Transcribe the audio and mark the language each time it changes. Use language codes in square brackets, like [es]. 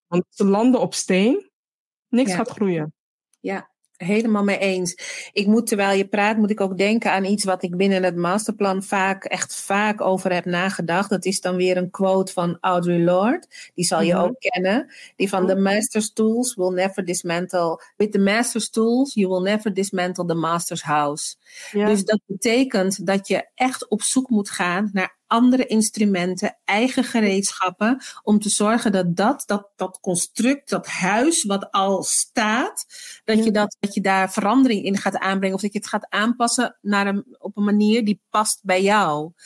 [nl] Want ze landen op steen, niks gaat groeien. Ja, helemaal mee eens. Ik moet, terwijl je praat, moet ik ook denken aan iets wat ik binnen het masterplan vaak over heb nagedacht. Dat is dan weer een quote van Audre Lorde. Die zal je ook kennen. Die van, [en] the master's tools will never dismantle. With the master's tools, you will never dismantle the master's house. [nl] Ja. Dus dat betekent dat je echt op zoek moet gaan naar andere instrumenten, eigen gereedschappen, om te zorgen dat construct, dat huis wat al staat, dat je daar verandering in gaat aanbrengen of dat je het gaat aanpassen op een manier die past bij jou.